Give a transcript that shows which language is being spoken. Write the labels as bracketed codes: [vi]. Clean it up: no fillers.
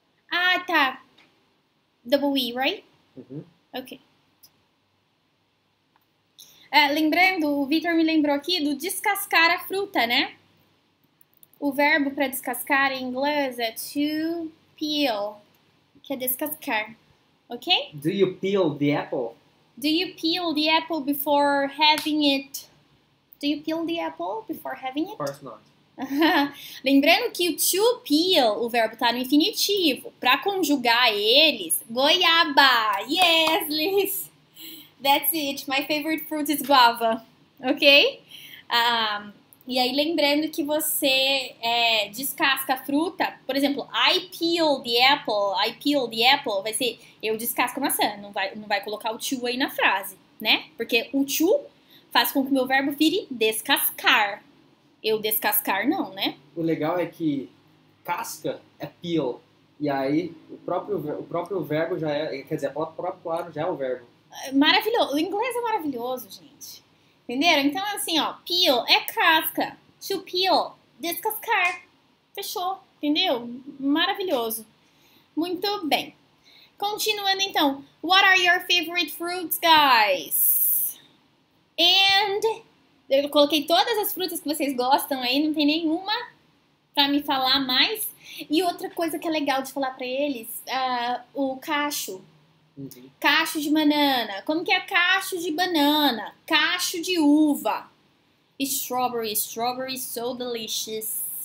[pt] ah, tá. [en] Double E, right? Ok. [pt] Lembrando, o Victor me lembrou aqui do descascar a fruta, né? O verbo para descascar em inglês é to peel, que é descascar. [en] Ok? Do you peel the apple? Do you peel the apple before having it? Do you peel the apple before having it? Of course not. [pt] Lembrando que o to peel, o verbo está no infinitivo. Para conjugar eles, goiaba! [en] Yes, Liz! That's it, my favorite fruit is guava. Ok? [pt] E aí, lembrando que você descasca a fruta, por exemplo, [en] I peel the apple, [pt] vai ser eu descasco a maçã, não vai colocar o to aí na frase, né? Porque o to faz com que o meu verbo vire descascar. Eu descascar não, né? O legal é que casca é peel. E aí o próprio verbo já é. Quer dizer, a palavra própria, claro, já é o verbo. Maravilhoso, o inglês é maravilhoso, gente. Entenderam? Então é assim, ó, peel é casca, to peel, descascar. Fechou, entendeu? Maravilhoso. Muito bem. Continuando então, [en] what are your favorite fruits, guys? [pt] Eu coloquei todas as frutas que vocês gostam aí, não tem nenhuma para me falar mais. E outra coisa que é legal de falar para eles, o cacho. Cacho de banana. Como que é cacho de banana? Cacho de uva. [en] Strawberry. Strawberry so delicious.